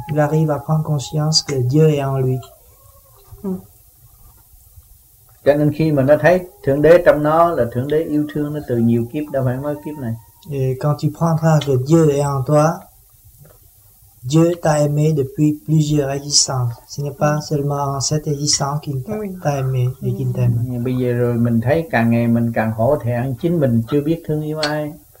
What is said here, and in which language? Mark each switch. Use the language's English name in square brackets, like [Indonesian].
[French] Il arrive à prendre conscience que Dieu est en lui. [Vietnamese] Cho nên khi mà nó thấy Thượng Đế trong nó là Thượng Đế yêu thương nó từ nhiều kiếp, đâu phải mới kiếp này. [French] Et quand tu prendras que Dieu est en toi, Dieu t'a aimé depuis plusieurs existences. Ce n'est pas seulement en cette existence qu'il t'a aimé et qu'il t'aime. [Vietnamese] Nhưng bây giờ rồi mình thấy càng ngày mình càng hổ thẹn, chính mình chưa biết thương yêu ai.